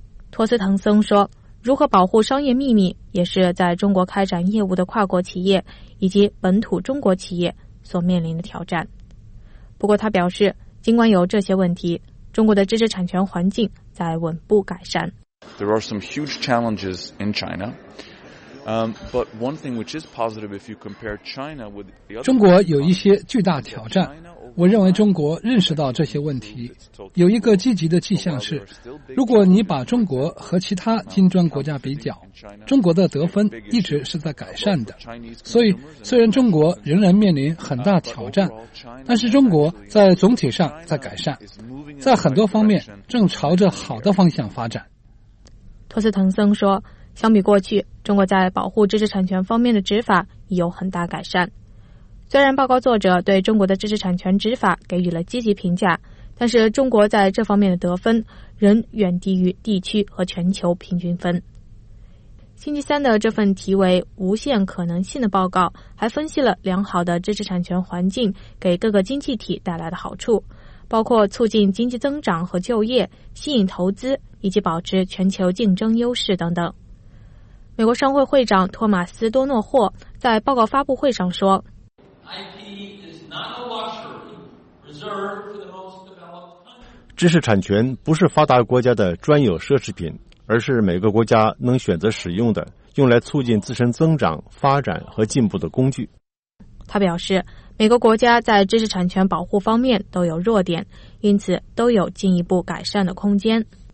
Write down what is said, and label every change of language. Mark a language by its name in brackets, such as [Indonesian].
[Chinese] 托斯滕森说，如何保护商业秘密也是在中国开展业务的跨国企业以及本土中国企业所面临的挑战。不过他表示，尽管有这些问题，中国的知识产权环境在稳步改善。 [English] There are some huge challenges in China. But one thing which is positive, if you compare China with the other, [Chinese] 中国有一些巨大挑战，我认为中国认识到这些问题。有一个积极的迹象是，如果你把中国和其他金砖国家比较，中国的得分一直是在改善的。所以虽然中国仍然面临很大挑战，但是中国在总体上在改善，在很多方面正朝着好的方向发展。托斯滕森说，相比过去，中国在保护知识产权方面的执法已有很大改善。虽然报告作者对中国的知识产权执法给予了积极评价，但是中国在这方面的得分仍远低于地区和全球平均分。星期三的这份题为《无限可能性》的报告还分析了良好的知识产权环境给各个经济体带来的好处，包括促进经济增长和就业、吸引投资以及保持全球竞争优势等等。美国商会会长托马斯·多诺霍在报告发布会上说， [English] IP is not a luxury reserved for the most developed countries. [Chinese] 知识产权不是发达国家的专有奢侈品，而是每个国家能选择使用的、用来促进自身增长、发展和进步的工具。他表示，每个国家在知识产权保护方面都有弱点，因此都有进一步改善的空间。